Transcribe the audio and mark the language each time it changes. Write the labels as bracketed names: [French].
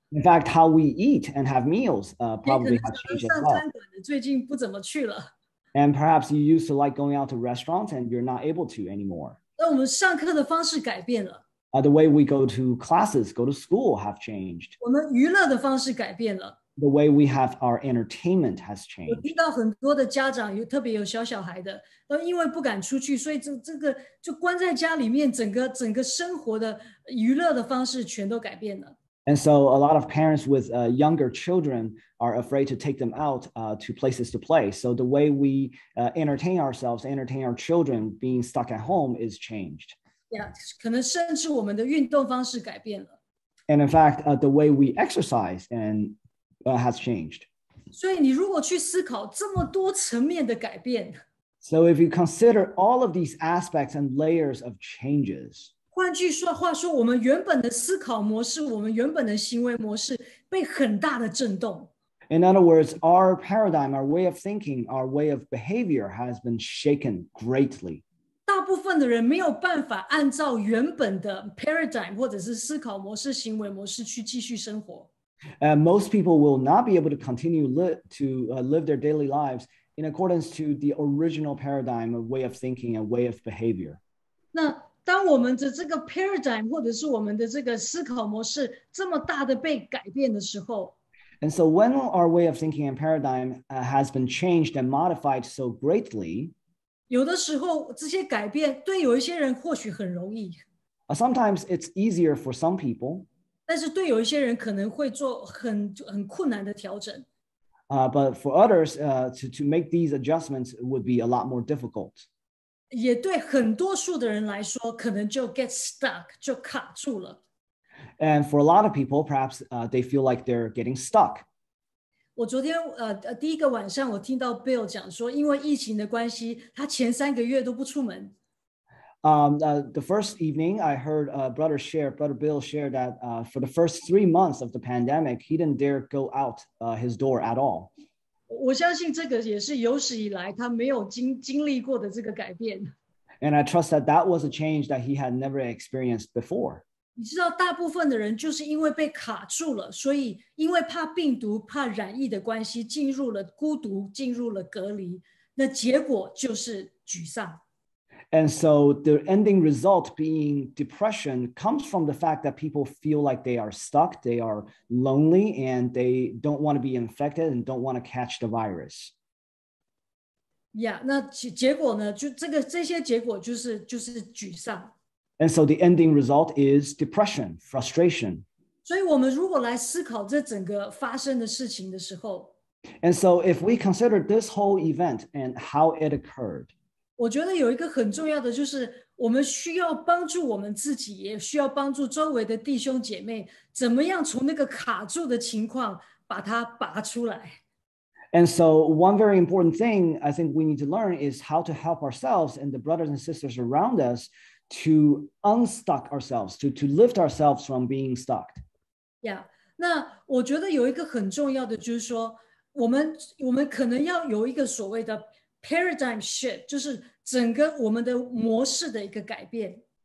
[English] In fact, how we eat and have meals probably have changed as well. [Chinese] 最近不怎么去了。 [English] And perhaps you used to like going out to restaurants and you're not able to anymore. [Chinese] 那我们上课的方式改变了。 [English] The way we go to classes, go to school have changed. [Chinese] 我们娱乐的方式改变了。 [English] The way we have our entertainment has changed. [Chinese] 我听到很多的家长有特别有小小孩的，因为不敢出去，所以这个就关在家里面，整个生活的娱乐的方式全都改变了。 [English] And so a lot of parents with younger children are afraid to take them out to places to play. So the way we entertain ourselves, entertain our children being stuck at home is changed. [Chinese] Yeah, 可能甚至我们的运动方式改变了。 [English] And in fact, the way we exercise andhas changed. [Chinese] 所以你如果去思考这么多层面的改变， [English] So if you consider all of these aspects and layers of changes, [Chinese] 换句话说，我们原本的思考模式，我们原本的行为模式被很大的震动。 [English] In other words, our paradigm, our way of thinking, our way of behavior has been shaken greatly. [Chinese] 大部分的人没有办法按照原本的 paradigm 或者是思考模式、行为模式去继续生活。 [English] Most people will not be able to continue to live their daily lives in accordance to the original paradigm of way of thinking and way of behavior. [Chinese] 那当我们的这个 paradigm 或者是我们的这个思考模式这么大的被改变的时候， [English] And so when our way of thinking and paradigm has been changed and modified so greatly, [Chinese] 有的时候这些改变对有一些人或许很容易。 [English] Sometimes it's easier for some people. [Chinese] 但是对有一些人可能会做很困难的调整。 [English] But for others, to make these adjustments would be a lot more difficult. [Chinese] 也对很多数的人来说，可能就 [English] get stuck, [Chinese] 就卡住了。 [English] And for a lot of people, perhaps, they feel like they're getting stuck. [Chinese] 我昨天第一个晚上我听到 Bill 讲说，因为疫情的关系，他前三个月都不出门。 [English] The first evening, I heard Brother Bill share that for the first 3 months of the pandemic, he didn't dare go out his door at all. [Chinese] 我相信这个也是有史以来他没有经历过的这个改变。 [English] And I trust that that was a change that he had never experienced before. [Chinese] 你知道，大部分的人就是因为被卡住了，所以因为怕病毒、怕染疫的关系，进入了孤独，进入了隔离，那结果就是沮丧。 [English] And so the ending result being depression comes from the fact that people feel like they are stuck, they are lonely, and they don't want to be infected and don't want to catch the virus. [Chinese] Yeah, 那结果呢？就这个这些结果就是沮丧。 [English] And so the ending result is depression, frustration. [Chinese] 所以我们如果来思考这整个发生的事情的时候， [English] And so if we consider this whole event and how it occurred, [Chinese] 我觉得有一个很重要的就是我们需要帮助我们自己，也需要帮助周围的弟兄姐妹，怎么样从那个卡住的情况把它拔出来。 [English] And so one very important thing I think we need to learn is how to help ourselves and the brothers and sisters around us to unstuck ourselves, to lift ourselves from being stuck. [Chinese] Yeah, 那我觉得有一个很重要的就是说我们可能要有一个所谓的 paradigm shift, 就是整个我们的模式的一个改变。